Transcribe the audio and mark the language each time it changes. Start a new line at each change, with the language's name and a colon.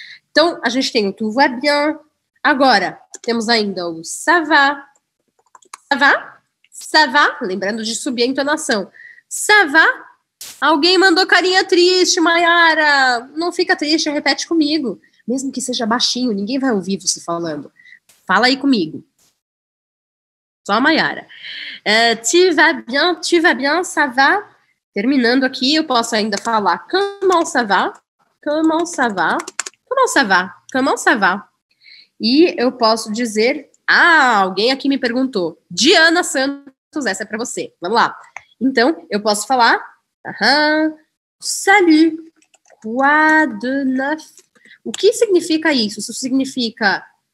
Portuguese: Então, a gente tem o
French: tu va bien.
Portuguese: Agora, temos ainda o
French: ça va. Ça va? Ça va?
Portuguese: Lembrando de subir a entonação.
French: Ça va?
Portuguese: Alguém mandou carinha triste, Mayara. Não fica triste, repete comigo. Mesmo que seja baixinho, ninguém vai ouvir você falando. Fala aí comigo. Só a Mayara.
French: Tu va bien, tu va bien, ça va?
Portuguese: Terminando aqui, eu posso ainda falar
French: comment ça va? Comment ça va? Comment ça va? Comment ça va?
Portuguese: E eu posso dizer, ah, alguém aqui me perguntou. Diana Santos, essa é pra você. Vamos lá. Então, eu posso falar
French: salut, quoi de neuf?
Portuguese: O que significa isso? Isso significa